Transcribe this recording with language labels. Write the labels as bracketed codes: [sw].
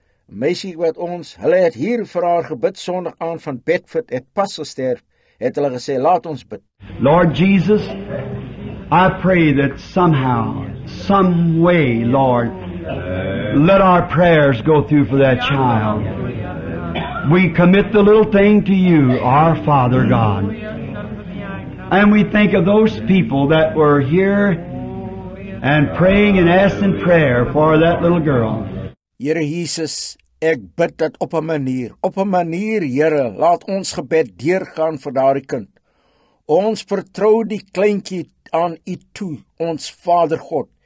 [af] Meisie wat ons, hulle het hier vir haar gebid sondag aand van Bedford, het pas gesterf, het hulle gesê, laat ons bid. [en] Lord Jesus, I pray that somehow, some way, Lord, let our prayers go through for that child. We commit the little thing to you, our Father God. And we think of those people that were here and praying and asking prayer for that little girl. [af] Here Jesus, ek bid dat op 'n manier, Here, laat ons gebed deurgaan vir daardie kind. Ons vertrou die kleintjie aan U toe, ons Vader God.